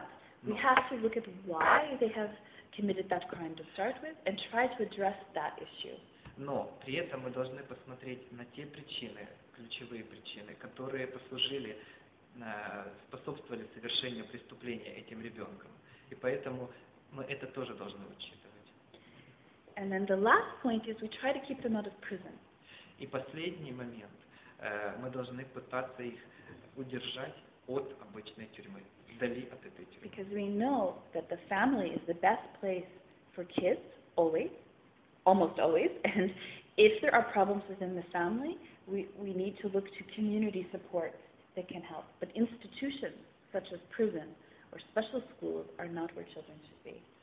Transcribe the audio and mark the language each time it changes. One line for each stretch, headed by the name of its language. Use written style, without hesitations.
English: But we have to look at why they have committed that crime to start with and try to address that issue.
Russian: Но при этом мы должны посмотреть на те причины, ключевые причины, которые послужили, способствовали совершению преступления этим ребенком. И поэтому мы это тоже должны учитывать. И последний момент. Мы должны пытаться их удержать от обычной тюрьмы, вдали от этой тюрьмы.
English: Because we know that the family is the best place for kids, always, almost always, and if there are problems within the family, we need to look to community support that can help. But institutions such as prison or special schools are not where children should be.